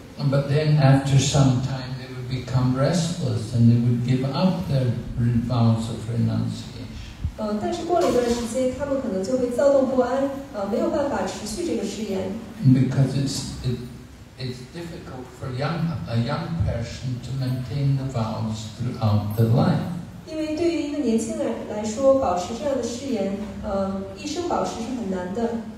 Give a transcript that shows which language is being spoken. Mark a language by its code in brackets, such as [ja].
[en] But then after some time they would become restless and they would give up their vows of renunciation. [zh] 但是过了一段时间，他们可能就会躁动不安，没有办法持续这个誓言。 [en] Because it's difficult for a young person to maintain the vows throughout the life. [zh] 因为对于一个年轻人来说，保持这样的誓言，一生保持是很难的。